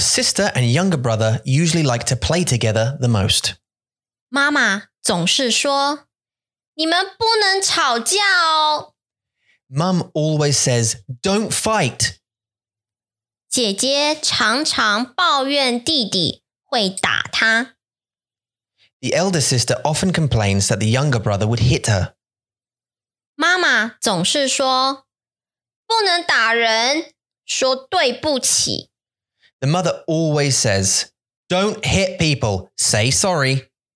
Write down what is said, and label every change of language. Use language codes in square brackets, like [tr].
[en] sister and younger brother usually like to play together the most. [zh] 妈妈总是说,你们不能吵架哦。 [en] Mum always says, don't fight. [zh] 姐姐常常抱怨弟弟会打她。 [en] The elder sister often complains that the younger brother would hit her. [zh] 妈妈总是说,不能打人,说对不起。 [en] The mother always says, don't hit people, say sorry.